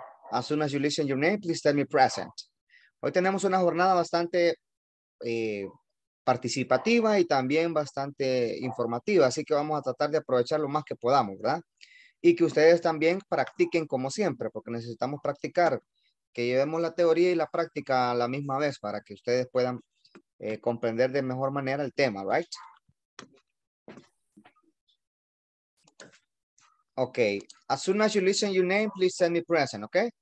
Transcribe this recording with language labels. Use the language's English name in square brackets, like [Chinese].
[English] As soon as you listen your name, please tell me present. [Spanish] Hoy tenemos una jornada bastante participativa y también bastante informativa, así que vamos a tratar de aprovechar lo más que podamos, ¿verdad? Y que ustedes también practiquen como siempre, porque necesitamos practicar, que llevemos la teoría y la práctica a la misma vez para que ustedes puedan comprender de mejor manera el tema, ¿right? [English] Ok, as soon as you listen your name, please send me present, ¿ok?